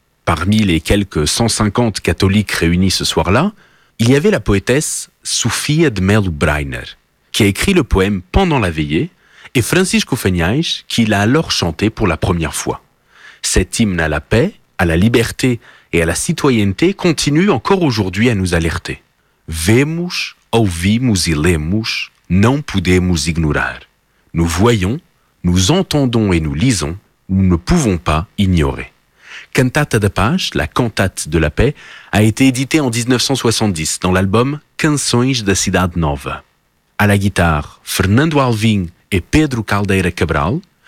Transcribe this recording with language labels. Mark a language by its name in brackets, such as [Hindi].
[French] Parmi les quelques 150 catholiques réunis ce soir-là, il y avait la poétesse Sofia de Melo Brainer, qui a écrit le poème pendant la veillée, et Francisco Fenhais, qui l'a alors chanté pour la première fois. Cet hymne à la paix, à la liberté et à la citoyenneté continue encore aujourd'hui à nous alerter. [Portuguese] Vemos, ouvimos e lemos, não podemos ignorar. [French] Nous voyons, nous entendons et nous lisons, nous ne pouvons pas ignorer. Cantata da Paz, la cantate de la paix, a été éditée en 1970 dans l'album Canções da Cidade Nova. À la guitare, Fernando Alvim et Pedro Caldeira Cabral.